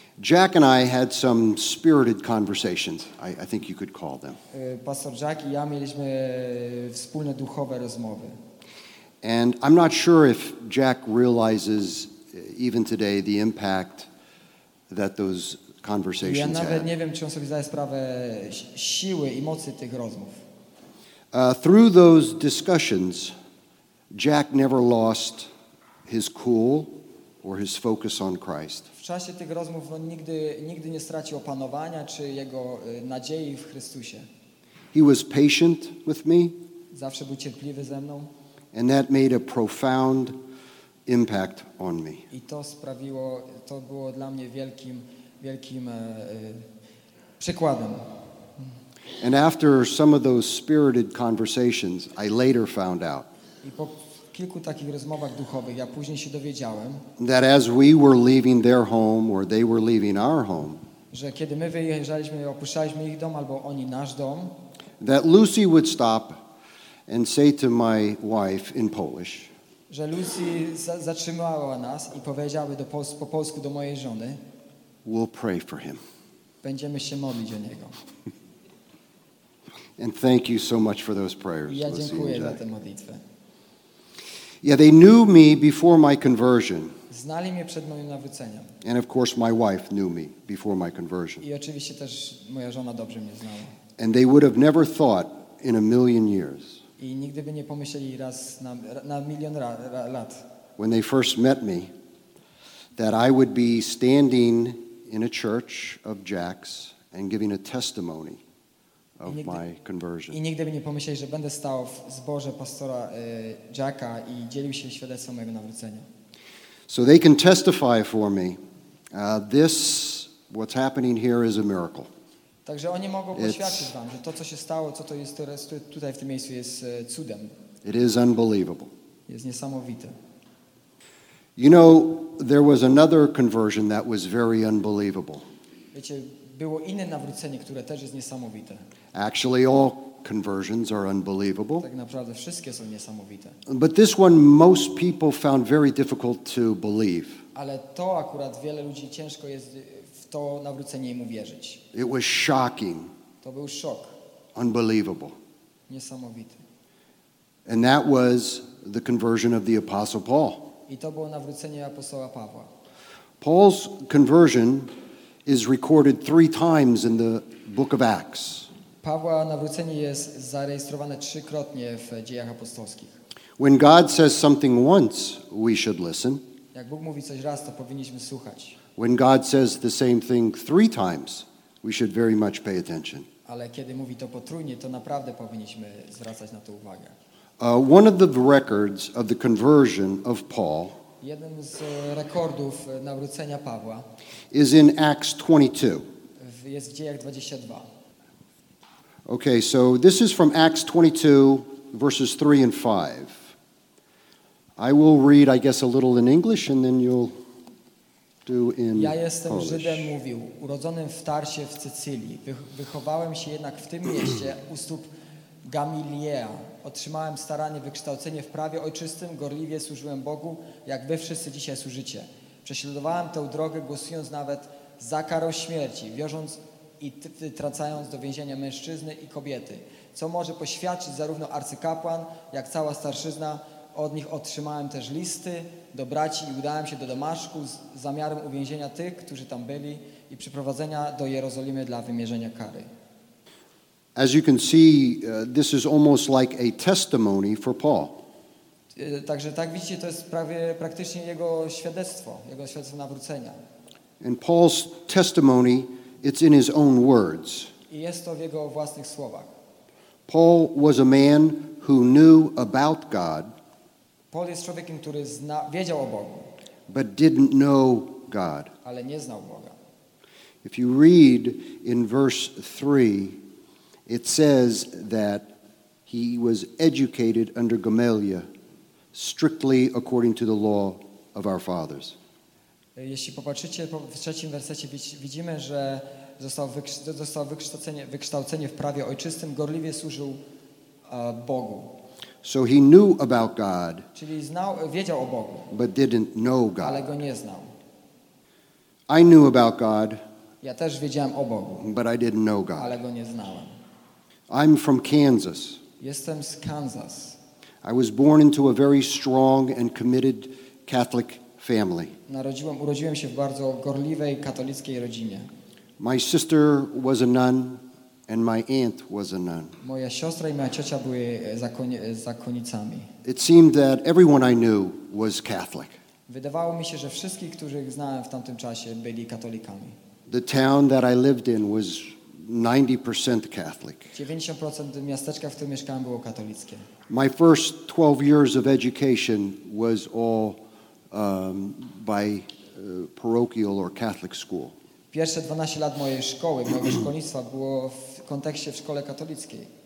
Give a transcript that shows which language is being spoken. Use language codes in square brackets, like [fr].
[en] Jack and I had some spirited conversations, I think you could call them. [pl] Pastor Jack i ja mieliśmy wspólne duchowe rozmowy. [en] And I'm not sure if Jack realizes even today the impact that those conversations had. [pl] Ja nawet nie wiem, czy on sobie zdaje sprawę siły i mocy tych rozmów. [en] Through those discussions, Jack never lost his cool or his focus on Christ. [pl] W czasie tych rozmów on nigdy nie stracił opanowania czy jego nadziei w Chrystusie. [en] He was patient with me. [pl] Zawsze był cierpliwy ze mną. [en] And that made a profound impact on me. [pl] I to sprawiło, to było dla mnie wielkim przykładem. [en] And after some of those spirited conversations, I later found out. [pl] I po kilku takich rozmowach duchowych ja później się dowiedziałem, [en] that as we were leaving their home or they were leaving our home, [pl] że kiedy my wyjeżdżaliśmy, opuszczaliśmy ich dom albo oni nasz dom, [en] that Lucy would stop and say to my wife in Polish, [pl] że Lucy zatrzymała nas i powiedziała po polsku do mojej żony, [en] we'll pray for him. [pl] będziemy się modlić o niego. [en] And thank you so much for those prayers. [pl] Ja dziękuję za tę modlitwę. [en] Yeah, they knew me before my conversion. [pl] Znali mnie przed moim nawróceniem. [en] And of course my wife knew me before my conversion. [pl] I oczywiście też moja żona dobrze mnie znała. [en] And they would have never thought in a million years. [pl] I nigdy by nie pomyśleli raz na milion lat. [en] When they first met me, that I would be standing in a church of Jack's and giving a testimony of my conversion. [pl] I nigdy by nie pomyśleli, że będę stał w zborze pastora Jacka i dzielił się świadectwem mojego nawrócenia. [en] So they can testify for me. This, what's happening here, is a miracle. [pl] Także oni mogą poświadczyć wam, że to, co się stało, co to jest teraz tutaj w tym miejscu, jest cudem. [en] It is unbelievable. [pl] Jest niesamowite. [en] You know, there was another conversion that was very unbelievable. [pl] Wiecie, było inne nawrócenie, które też jest niesamowite. [en] Actually, all conversions are unbelievable. [pl] Tak naprawdę wszystkie są niesamowite. [en] But this one most people found very difficult to believe. [pl] Ale to akurat wiele ludzi ciężko jest w to nawrócenie im uwierzyć. [en] It was shocking. [pl] To był szok. [en] Unbelievable. [pl] Niesamowite. [en] And that was the conversion of the Apostle Paul. [pl] I to było nawrócenie apostoła Pawła. [en] Paul's conversion is recorded 3 times in the book of Acts. [pl] Pawła nawrócenie jest zarejestrowane 3 krotnie w Dziejach Apostolskich. [en] When God says something once, we should listen. [pl] Jak Bóg mówi coś raz, to powinniśmy słuchać. [en] When God says the same thing 3 times, we should very much pay attention. [pl] Ale kiedy mówi to potrójnie, to naprawdę powinniśmy zwracać na to uwagę. [en] One of the records of the conversion of Paul [pl] jeden z rekordów nawrócenia Pawła [en] is in Acts 22. [pl] Jest w Dziejach 22. [en] Okay, so this is from Acts 22, verses 3 and 5. I will read, I guess, a little in English, and then you'll do in Polish. [pl] Ja jestem Żydem, mówił, urodzonym w Tarsie w Cecylii. Wychowałem się jednak w tym mieście u stóp Gamilieja. Otrzymałem starannie wykształcenie w prawie ojczystym, gorliwie służyłem Bogu, jak wy wszyscy dzisiaj służycie. Prześladowałem tę drogę, głosując nawet za karą śmierci, wiążąc i trącając do więzienia mężczyzny i kobiety. Co może poświadczyć zarówno arcykapłan, jak cała starszyzna, od nich otrzymałem też listy do braci i udałem się do Damaszku z zamiarem uwięzienia tych, którzy tam byli i przyprowadzenia do Jerozolimy dla wymierzenia kary. [en] As you can see, this is almost like a testimony for Paul. [pl] Także tak widzicie, to jest prawie praktycznie jego świadectwo nawrócenia. [en] And Paul's testimony, it's in his own words. [pl] I jest to w jego własnych słowach. [en] Paul was a man who knew about God. [pl] Paul jest człowiekiem, który wiedział o Bogu. [en] But didn't know God. [pl] Ale nie znał Boga. [en] If you read in verse 3, it says that he was educated under Gamaliel, strictly according to the law of our fathers. [pl] Jeśli popatrzycie w trzecim wersecie, widzimy, że został wykształcenie w prawie ojczystym, gorliwie służył Bogu. [en] So he knew about God. [pl] Czyli znał, wiedział o Bogu. [en] But didn't know God. [pl] Ale go nie znał. [en] I knew about God. [pl] Ja też wiedziałem o Bogu. [en] But I didn't know God. [pl] Ale go nie znałem. [en] I'm from Kansas. [pl] Jestem z Kansas. [en] I was born into a very strong and committed Catholic family. [pl] Urodziłem się w bardzo gorliwej katolickiej rodzinie. [en] My sister was a nun and my aunt was a nun. [pl] Moja siostra i moja ciocia były zakonnicami. [en] It seemed that everyone I knew was Catholic. [pl] Wydawało mi się, że wszystkich, których znałem w tamtym czasie, byli katolikami. [en] The town that I lived in was 90% Catholic. [pl] 90% miasteczka, w którym mieszkałem, było katolickie. [en] My first 12 years of education was all by parochial or Catholic school. [pl] Pierwsze 12 lat mojej szkoły, mojego szkolnictwa było w kontekście w szkole katolickiej.